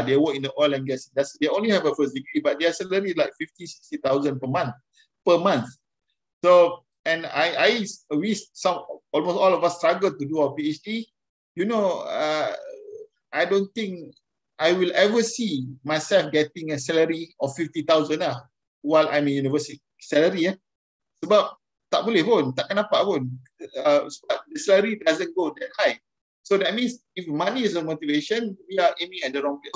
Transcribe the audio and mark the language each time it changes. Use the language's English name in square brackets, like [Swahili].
[English] They work in the oil and gas. That's they only have a first degree, but their salary is like 50,000-60,000 per month. So, and almost all of us struggle to do our PhD. You know, I don't think I will ever see myself getting a salary of 50,000 lah while I'm in university. Salary, eh? [Malay] Sebab tak boleh pun, takkan dapat pun. [English] Sebab the salary doesn't go that high. So that means if money is a motivation, we are aiming at the wrong place.